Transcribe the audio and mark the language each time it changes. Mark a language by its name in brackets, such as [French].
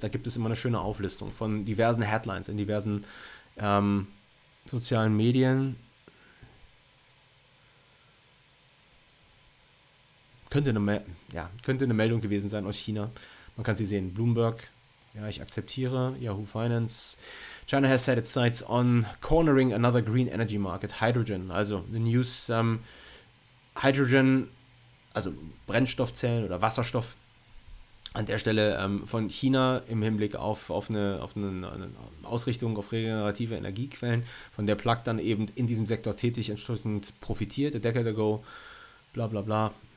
[German] Da gibt es immer eine schöne Auflistung von diversen Headlines in diversen sozialen Medien. Könnte eine Meldung gewesen sein aus China. Man kann sie sehen. Bloomberg. Ja, ich akzeptiere. Yahoo Finance. [English] China has set its sights on cornering another green energy market, hydrogen. [German] Also, the news, hydrogen, also Brennstoffzellen oder Wasserstoff an der Stelle von China im Hinblick auf eine Ausrichtung auf regenerative Energiequellen, von der Plug dann eben in diesem Sektor tätig entsprechend profitiert, [English] a decade ago, bla bla bla.